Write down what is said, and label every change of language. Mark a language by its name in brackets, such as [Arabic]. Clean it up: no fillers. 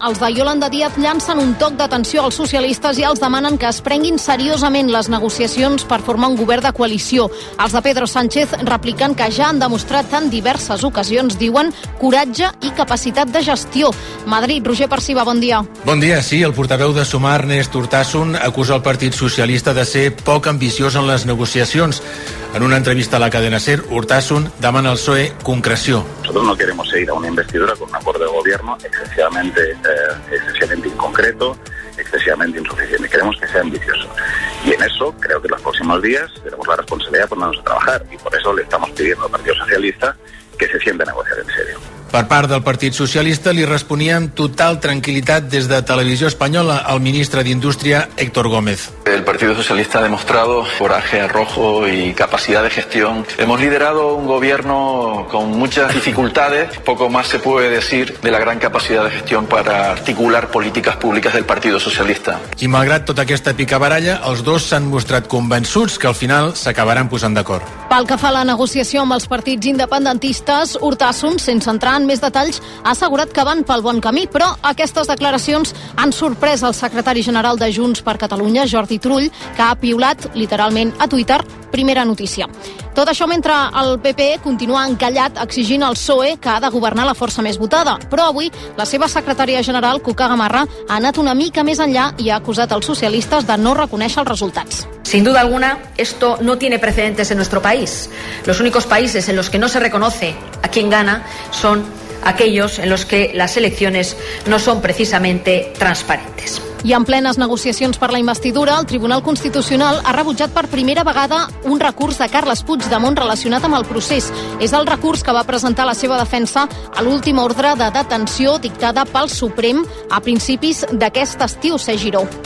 [Catalan] Els de Yolanda Díaz llancen un toc d'atenció als socialistes i els demanen que es prenguin seriosament les negociacions per formar un govern de coalició. Els de Pedro Sánchez repliquen que ja han demostrat en diverses ocasions, diuen, coratge i capacitat de gestió. Madrid, Roger Perciba, bon dia. Bon dia, sí. El portaveu de Sumar, Ernest Urtasun, acusa el Partit Socialista de ser poc ambiciós en les negociacions. En una entrevista a la cadena SER, Urtasun demana al PSOE concreció. [Spanish] Nosotros no queremos seguir a una investidura con un acuerdo de gobierno excesivamente inconcreto, excesivamente insuficiente. Queremos que sea ambicioso. Y en eso creo que en los próximos días tenemos la responsabilidad de ponernos a trabajar. Y por eso le estamos pidiendo al Partido Socialista que se siente a negociar en serio. [Catalan] Per part del Partit Socialista li responia amb total tranquil·litat des de Televisió Espanyola al ministre d'Indústria, Héctor Gómez. [Spanish] El Partido Socialista ha demostrado coraje, arrojo y capacidad de gestión. Hemos liderado un gobierno con muchas dificultades. Poco más se puede decir de la gran capacidad de gestión para articular políticas públicas del Partido Socialista. [Catalan] I malgrat tota aquesta picabaralla, els dos s'han mostrat convençuts que al final s'acabaran posant d'acord. Pel que fa a la negociació amb els partits independentistes, Urtasun, sense entrar en més detalls, ha assegurat que van pel bon camí, però aquestes declaracions han sorprès el secretari general de Junts per Catalunya, Jordi Trull, que ha piulat, literalment, a Twitter, primera notícia. Tot això mentre el PP continua encallat exigint al PSOE que ha de governar la força més votada. Però avui, la seva secretària general, Cuca Gamarra, ha anat una mica més enllà i ha acusat els socialistes de no reconèixer els resultats. [Spanish] Sin duda alguna, esto no tiene precedentes en nuestro país. Los únicos países en los que no se reconoce a quien gana son aquellos en los que las elecciones no son precisamente transparentes. [Catalan] I en plenes negociacions per la investidura, el Tribunal Constitucional ha rebutjat per primera vegada un recurs de Carles Puigdemont relacionat amb el procés. És el recurs que va presentar la seva defensa a l'última ordre de detenció dictada pel Suprem a principis d'aquest estiu, Sergi Giró.